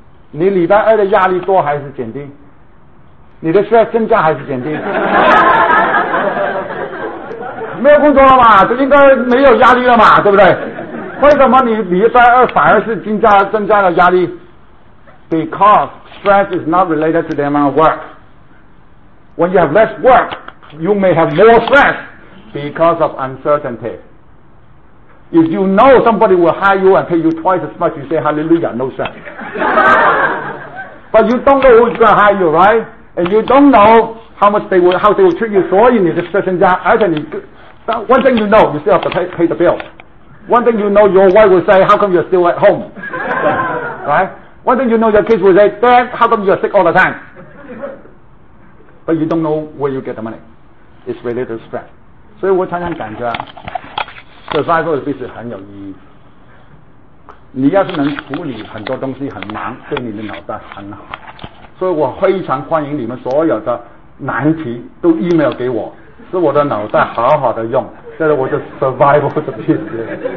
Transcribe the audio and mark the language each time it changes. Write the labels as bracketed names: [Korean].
[Chinese] 你礼拜二的压力多还是减低？你的需要增加还是减低？没有工作了嘛，就应该没有压力了嘛，对不对？为什么你礼拜二反而是增加了压力？ [English] Because stress is not related to the amount of work. When you have less work, you may have more stress because of uncertainty. If you know somebody will hire you and pay you twice as much, you say hallelujah, no stress. But you don't know who's going to hire you, right? And you don't know how they will treat you, [Chinese] 所以你的 stress 增加。而且你 [English] one thing you know, you still have to pay the bill. One thing you know, your wife will say, how come you're still at home? Right? One thing you know, your kids will say, Dad, how come you're sick all the time? But you don't know where you get the money. It's related to stress. [Chinese] 所以我常常感觉 [English] survival is business [Chinese] 很有意义。你要是能处理很多东西很忙，对你的脑袋很好。所以我非常欢迎你们所有的难题都 email 给我，是我的脑袋好好的用，现在我就 survival 的意思。